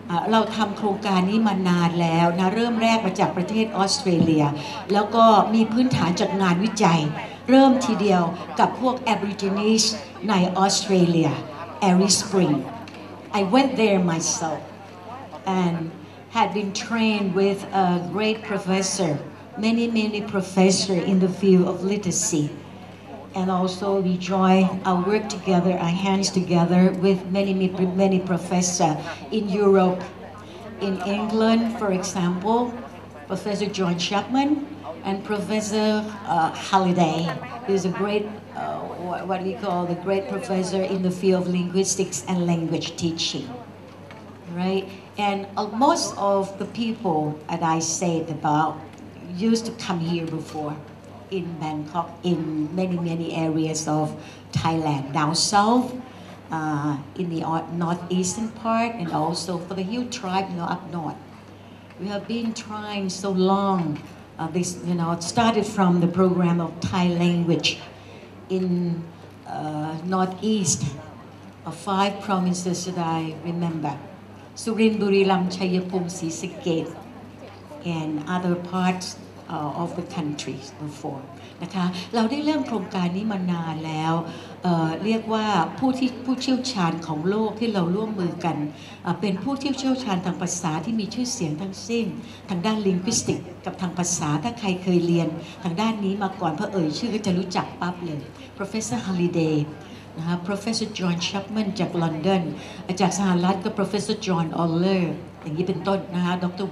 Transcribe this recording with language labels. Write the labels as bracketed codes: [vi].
[th] เราทำโครงการนี้มานานแล้วนะเริ่มแรกมาจากประเทศออสเตรเลียแล้วก็มีพื้นฐานจากงานวิจัยเริ่มทีเดียวกับพวก Aborigines ในออสเตรเลีย Alice Springs [en] I went there myself andhad been trained with a great professor, many, many professors in the field of literacy. And also we join our work together, our hands together with many, many professors in Europe. In England, for example, Professor John Chapman and Professor Halliday, who's a great, what we call the great professor in the field of linguistics and language teaching, right? And most of the people that I said about used to come here before in Bangkok, in many, many areas of Thailand, down south, in the northeastern part, and also for the Hill tribe, you know, up north. We have been trying so long, this, you know, it started from the program of Thai language in northeast, of five provinces that I remember. [th] สุรินทร์บุรีรัมย์ชัยภูมิศรีสะเกษ [en] and other parts of the country before [th] นะคะเราได้เริ่มโครงการนี้มานานแล้ว เรียกว่า ผู้เชี่ยวชาญของโลกที่เราร่วมมือกัน เป็นผู้เชี่ยวชาญทางภาษาที่มีชื่อเสียงทั้งสิ้นทางด้านลิงวิสติกกับทางภาษาถ้าใครเคยเรียนทางด้านนี้มาก่อนเพื่อเอ่ยชื่อก็จะรู้จักปั๊บเลย Professor Halliday นะคะ Professor John Chapman จากลอนดอนอาจากสหรัฐก็ Professor John Oller อย่างนี้เป็นต้นนะคะ Dr.